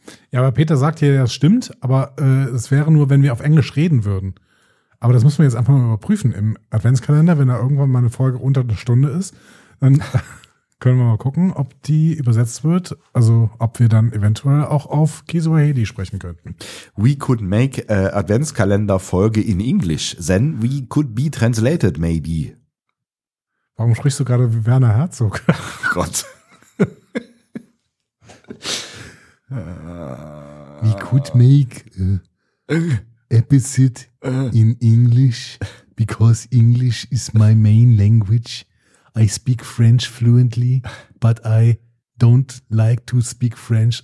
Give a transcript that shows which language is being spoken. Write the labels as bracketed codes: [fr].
[de] Ja, aber Peter sagt hier, das stimmt, aber es wäre nur, wenn wir auf Englisch reden würden. Aber das müssen wir jetzt einfach mal überprüfen im Adventskalender, wenn da irgendwann mal eine Folge unter einer Stunde ist, dann... Können wir mal gucken, ob die übersetzt wird. Also ob wir dann eventuell auch auf Kiswahili sprechen könnten. [en] We could make a Adventskalender-Folge in English. Then we could be translated, maybe. [de] Warum sprichst du gerade wie Werner Herzog? Gott. [en] We could make episode in English, because English is my main language. I speak French fluently, but I don't like to speak French.